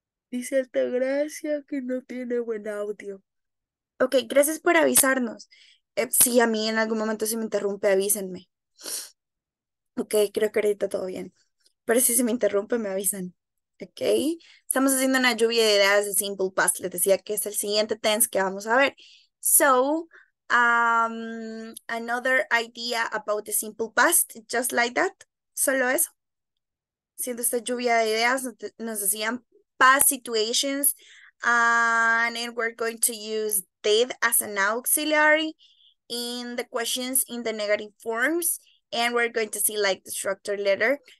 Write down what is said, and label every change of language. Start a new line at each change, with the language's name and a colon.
Spanish: Dice Altagracia que no tiene buen audio. Ok, gracias por avisarnos. Sí, a mí en algún momento se me interrumpe, avísenme. Ok, creo que ahorita todo bien. Pero si se me interrumpe, me avisan. Ok, estamos haciendo una lluvia de ideas de Simple Past. Les decía que es el siguiente tense que vamos a ver.
English: So, another idea about the Simple Past, just like that.
Spanish: Solo eso. Siendo esta lluvia de ideas, nos decían past situations.
English: And then we're going to use did as an auxiliary in the questions in the negative forms. And we're going to see like the structure later.